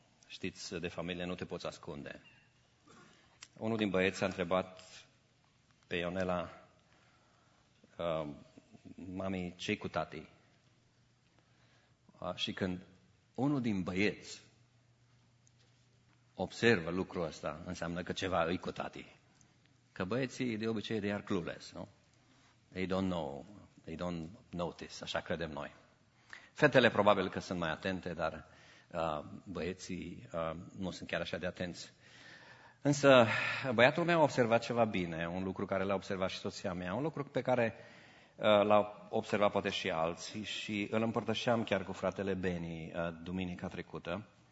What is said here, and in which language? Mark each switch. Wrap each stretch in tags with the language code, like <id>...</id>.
<ro>Știți, de familie nu te poți ascunde. Unul din băieți a întrebat pe Ionela: mami, ce-i cu tati? Și când unul din băieți observă lucrul ăsta, înseamnă că ceva îi cu tati. Că băieții de obicei</ro> <en>they are clueless,</en> <ro>nu?</ro> <en>They don't know, they don't notice,</en> <ro>așa credem noi. Fetele probabil că sunt mai atente, dar băieții nu sunt chiar așa de atenți. Însă, băiatul meu a observat ceva bine, un lucru care l-a observat și soția mea, un lucru pe care l-au observat poate și alții, și îl împărtășeam chiar cu fratele Beni duminica trecută.</ro>